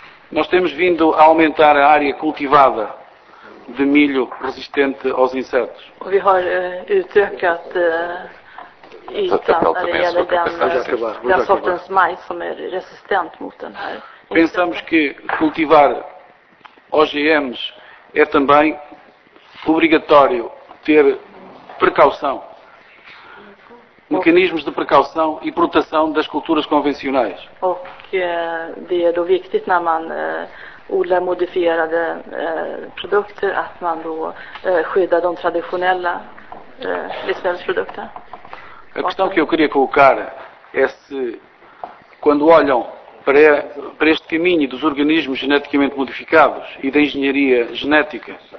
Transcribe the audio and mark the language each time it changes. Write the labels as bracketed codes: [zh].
[pt] Nós temos vindo a aumentar a área cultivada de milho resistente aos insetos. [sv] Vi har utökat ytan när det gäller den sortens majs som är resistent mot den här. [pt] Pensamos que cultivar OGMs é também obrigatório ter precaução, mecanismos de precaução e proteção das culturas convencionais. [sv] Och det är då viktigt när man odlar modifierade produkter att man då skyddar de traditionella livsmedelsprodukterna. [pt] A questão que eu queria colocar é se, quando olham para este caminho dos organismos geneticamente modificados e da engenharia genética.